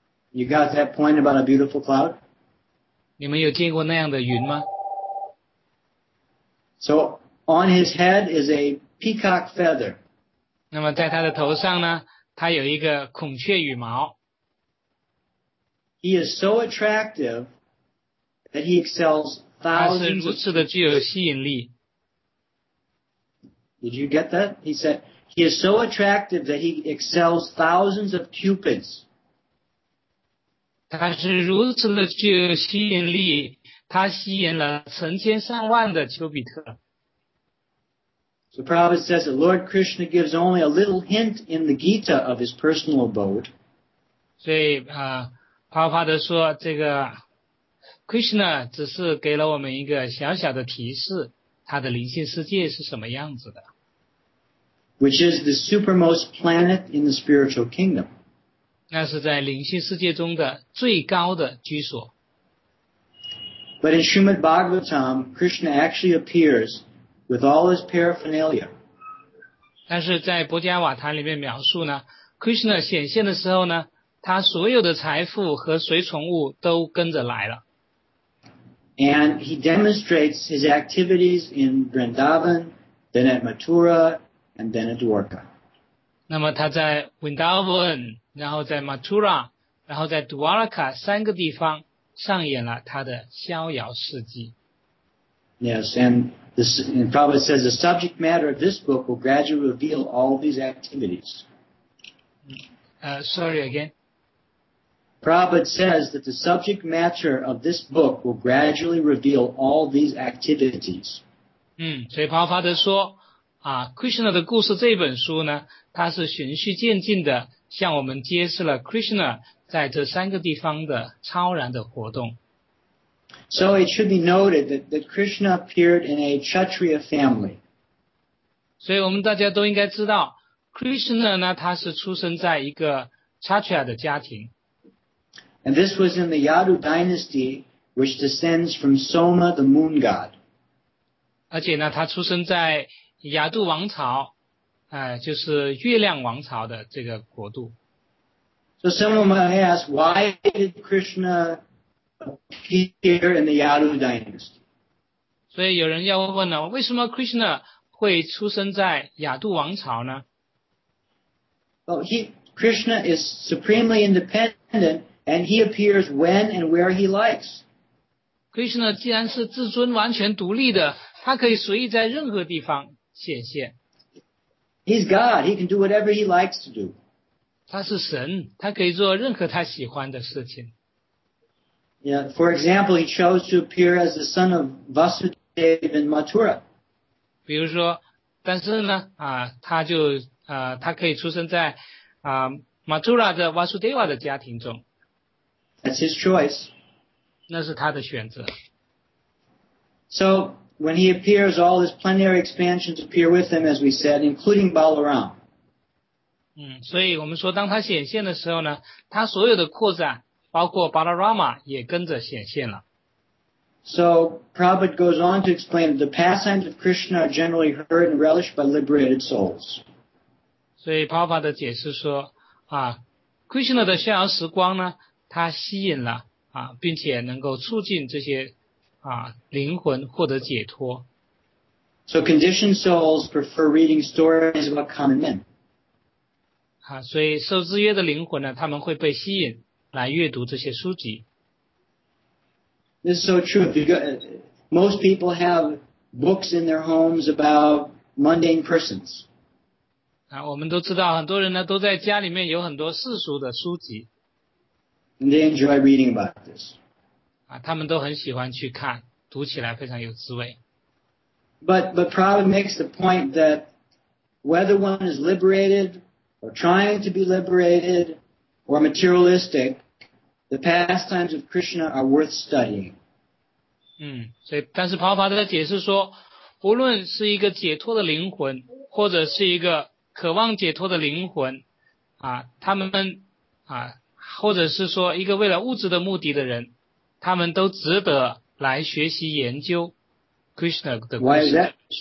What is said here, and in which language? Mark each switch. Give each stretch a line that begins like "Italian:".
English: You got that point about a beautiful cloud?
Chinese: 你们有见过那样的云吗？
English: So on his head is a peacock feather.
Chinese: 那么在他的头上呢，他有一个孔雀羽毛。
English: He is so attractive. That he excels thousands.
Chinese: 他是如此的具有吸引力。
English: Did you get that? He said he is so attractive that he excels thousands of cupids.
Chinese: 他是如此的具有吸引力，他吸引了成千上万的丘比特。
English: So Prabhupada says that Lord Krishna gives only a little hint in the Gita of his personal abode.
Chinese: 所以，帕帕德说这个。 Krishna 只是给了我们一个小小的提示，他的灵性世界是什么样子的。
English: Which is the supermost planet in the spiritual kingdom.
Chinese: 那是在灵性世界中的最高的居所。
English: But in Srimad Bhagavatam, Krishna actually appears with all his paraphernalia.
Chinese: 但是在博迦瓦坛里面描述呢， Krishna 显现的时候呢，他所有的财富和随从物都跟着来了。
English: And he demonstrates his activities in Vrindavan, then at Mathura, and then at Dwarka.
Chinese: 那么他在 Vrindavan, 然后在 Mathura, 然后在 Dwarka 三个地方上演了他的逍遥事迹。
English: Yes, and, this, and Prabhupada says the subject matter of this book will gradually reveal all these activities. Sorry again. Prabhupada says that the subject matter of this book will gradually reveal all these activities.
Chinese: 所以 Prabhupada 说啊 ,Krishna 的故事这本书呢，它是循序渐进的向我们揭示了 Krishna 在这三个地方的超然的活动。
English: So it should be noted that Krishna appeared in a Kshatriya family.
Chinese: 所以我们大家都应该知道 ,Krishna 呢他是出生在一个 Kshatriya 的家庭。
English: And this was in the Yadu dynasty, which descends from Soma, the moon god.
Chinese: 而且呢，他出生在雅杜王朝，就是月亮王朝的这个国度。
English: So someone might ask, why did Krishna appear in the Yadu dynasty?
Chinese: 所以有人要问呢，为什么 Krishna 会出生在雅杜王朝呢？
English: Krishna is supremely independent. And he appears when and where he likes.
Chinese: Krishna 既然是自尊完全独立的，他可以随意在任何地方显现。
English: He's God. He can do whatever he likes to do.
Chinese: 他是神，他可以做任何他喜欢的事情。
English: Yeah, for example, he chose to appear as the son of Vasudeva in Mathura.
Chinese: 比如说，但是呢，他可以出生在Mathura 的 Vasudeva 的家庭中。
English: That's his choice.
Chinese: 那是他的选择。
English: So, when he appears, all his plenary expansions appear with him, as we said, including Balaram.
Chinese: 所以我们说当他显现的时候呢，他所有的扩展，包括 Balarama 也跟着显现了。
English: So, Prabhupada goes on to explain that the pastimes of Krishna are generally heard and relished by liberated souls.
Chinese: 所以 Prabhupada 的解释说啊， Krishna 的逍遥时光呢，他吸引了啊，并且能够促进这些啊灵魂获得解脱。
English: So conditioned souls prefer reading stories about common men.
Chinese: 所以受制约的灵魂呢，他们会被吸引来阅读这些书籍。
English: This is so true because most people have books in their homes about mundane persons.
Chinese: 我们都知道，很多人呢都在家里面有很多世俗的书籍。
English: And they enjoy reading about this.
Chinese: 他们都很喜欢去看，读起来非常有滋味。
English: But Prabhupada makes the point that whether one is liberated or trying to be liberated or materialistic, the pastimes of Krishna are worth studying.
Chinese: 所以但是 Prabhupada 的解释说，无论是一个解脱的灵魂，或者是一个渴望解脱的灵魂，他们或者是说一个为了物质的目的的人，他们都值得来学习研究 Krishna 的故事。